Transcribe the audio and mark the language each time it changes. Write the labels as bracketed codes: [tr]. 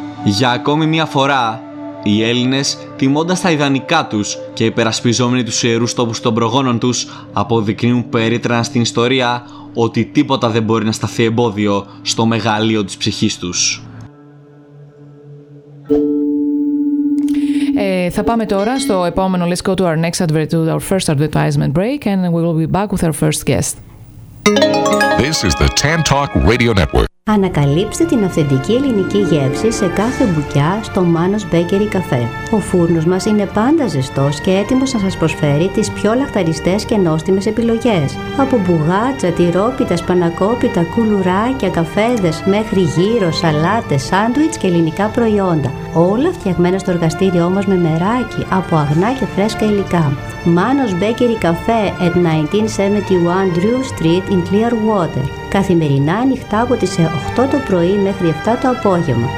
[el] Για ακόμη μια φορά, οι Έλληνες, τιμώντας τα ιδανικά τους και υπερασπιζόμενοι τους ιερούς τόπους των προγόνων τους, αποδεικνύουν περίτρανα στην ιστορία ότι τίποτα δεν μπορεί να σταθεί εμπόδιο στο μεγαλείο της ψυχής τους. Θα πάμε τώρα στο επόμενο. [en] Let's go to our next advertisement, our first advertisement break, and we will be back with our first guest. This is the Tantalk Radio Network. [el] Ανακαλύψτε την αυθεντική ελληνική γεύση σε κάθε μπουκιά στο Manos Bakery Cafe. Ο φούρνος μας είναι πάντα ζεστός και έτοιμος να σας προσφέρει τις πιο λαχταριστές και νόστιμες επιλογές. Από μπουγάτσα, τυρόπιτα, σπανακόπιτα, κουλουράκια, καφέδες, μέχρι γύρο, σαλάτες, σάντουιτς και ελληνικά προϊόντα. Όλα φτιαγμένα στο εργαστήριό μας με μεράκι, από αγνά και φρέσκα υλικά. [en] Manos Bakery Cafe at 1971 Drew Street in Clearwater. [el] Καθημερινά ανοιχτά από τις 8 το πρωί μέχρι 7 το απόγευμα.